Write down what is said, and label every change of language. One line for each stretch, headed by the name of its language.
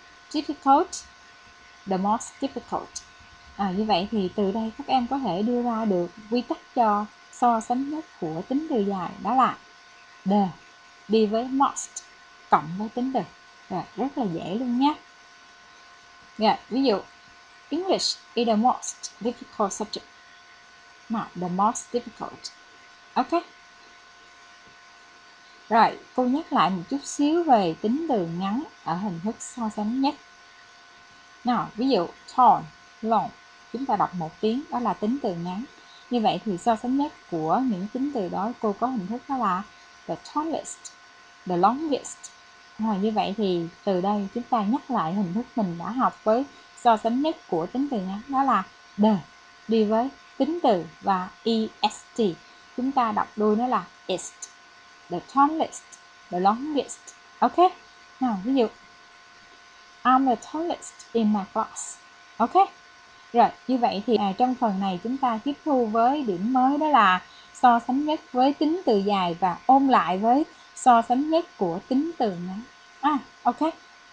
English: Difficult, the most difficult.
Vietnamese: Như vậy thì từ đây các em có thể đưa ra được quy tắc cho so sánh nhất của tính từ dài, đó là the đi với most cộng với tính từ. Rất là dễ luôn nhé. Ví dụ
English: English is the most difficult subject. Not the most difficult. Ok.
Vietnamese: Rồi, cô nhắc lại một chút xíu về tính từ ngắn ở hình thức so sánh nhất. Nào, ví dụ tall, long, chúng ta đọc một tiếng đó là tính từ ngắn. Như vậy thì so sánh nhất của những tính từ đó cô có hình thức đó là
English: the tallest, the longest.
Vietnamese: Rồi, như vậy thì từ đây chúng ta nhắc lại hình thức mình đã học với so sánh nhất của tính từ ngắn, đó là the đi với tính từ và est. Chúng ta đọc đuôi nó là est,
English: the tallest, the longest. Ok.
Vietnamese: Nào, ví dụ
English: I'm the tallest in my class.
Vietnamese: Ok. Rồi, như vậy thì trong phần này chúng ta tiếp thu với điểm mới, đó là so sánh nhất với tính từ dài và ôn lại với so sánh nhất của tính từ ngắn. À, ok.